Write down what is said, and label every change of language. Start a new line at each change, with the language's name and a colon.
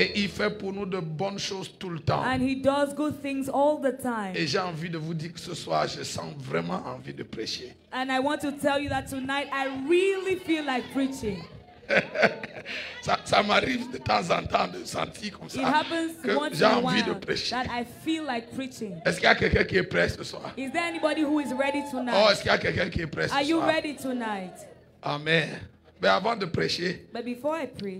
French: Et il fait pour nous de bonnes choses tout le temps.
English: And he does good things all the time.
French: Et j'ai envie de vous dire que ce soir, je sens vraiment envie de prêcher.
English: And I want to tell you that tonight I really feel like preaching.
French: ça m'arrive de temps en temps de sentir comme ça que j'ai envie de prêcher.
English: Like,
French: est-ce qu'il y a quelqu'un qui est prêt ce soir?
English: Is there anybody who is ready tonight?
French: Oh, est-ce qu'il y a quelqu'un qui est prêt ce
English: Are
French: soir?
English: You ready tonight?
French: Amen. Mais avant de prêcher,
English: But before I preach,